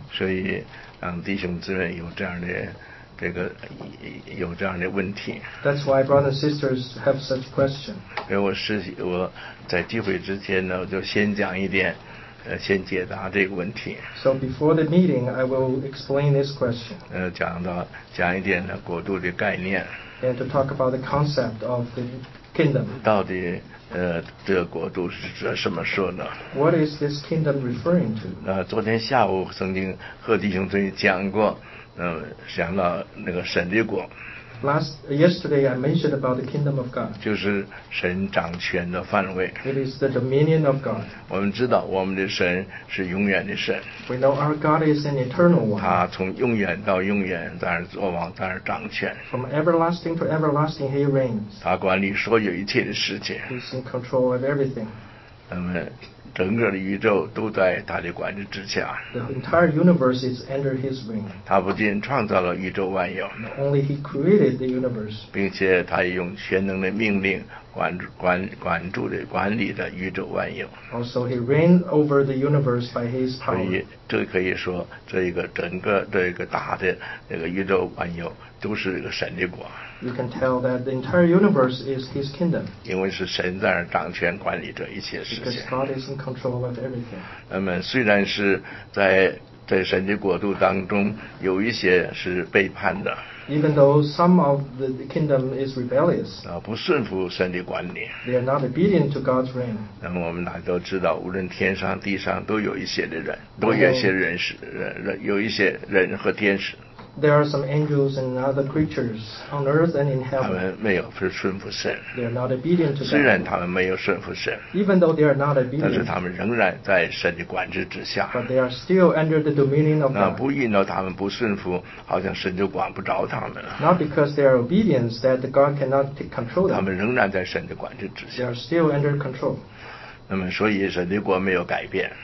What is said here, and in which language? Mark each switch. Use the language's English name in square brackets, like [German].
[Chinese] 所以让弟兄姊妹有这样的这个有这样的问题。 [English] That's why brothers and sisters have such questions. [Chinese] 所以我在聚会之前呢，我就先讲一点，先解答这个问题。 [English] So before the meeting, I will explain this question. [Chinese] 讲一点呢国度的概念。 [English] And to talk about the concept of the kingdom. [Chinese] 到底。这个国度是指什么说呢？ [English] What is this kingdom referring to? [Chinese] 昨天下午曾经和弟兄们讲过，想到那个神的国。 [English] Yesterday I mentioned about the kingdom of God. [Chinese] 就是神掌权的范围。 [English] It is the dominion of God. [Chinese] 我们知道我们的神是永远的神。 [English] We know our God is an eternal one. [Chinese] 他从永远到永远在那作王，在那掌权。 [English] From everlasting to everlasting, he reigns. [Chinese] 他管理所有一切的世界。 [English] He's in control of everything. [Chinese] 那么整个的宇宙都在他的管理之下。 [English] The entire universe is under his wing. [Chinese] 他不仅创造了宇宙万有。 [English] Not only he created the universe. [Chinese] 并且他用全能的命令管理的宇宙万有。 [English] Also he reigned over the universe by his power. [Chinese] 所以这可以说这一个整个这一个大的那个宇宙万有都是一个神的国。 [English] You can tell that the entire universe is his kingdom. [Chinese] 因为是神在那掌权管理着一切事情。 [English] Because God is in control of everything. [Chinese] 那么虽然是在神的国度当中有一些是背叛的。 [English] Even though some of the kingdom is rebellious. [Chinese] 不顺服神的管理。 [English] They are not obedient to God's reign. [Chinese] 那么我们大家都知道，无论天上地上都有一些的人，都有一些人是有一些人和天使。 [English] there are some angels and other creatures on earth and in heaven. [Chinese] 他们没有是顺服神。 [English] They are not obedient to God. [Chinese] 虽然他们没有顺服神。 [English] Even though they are not obedient. [Chinese] 但是他们仍然在神的管制之下。 [English] But they are still under the dominion of God. [Chinese] 那不引导他们不顺服，好像神就管不着他们了。 [English] Not because they are obedient that God cannot take control them. [Chinese] 他们仍然在神的管制之下。 [English] They are still under control. [Chinese] 那么所以神的国没有改变。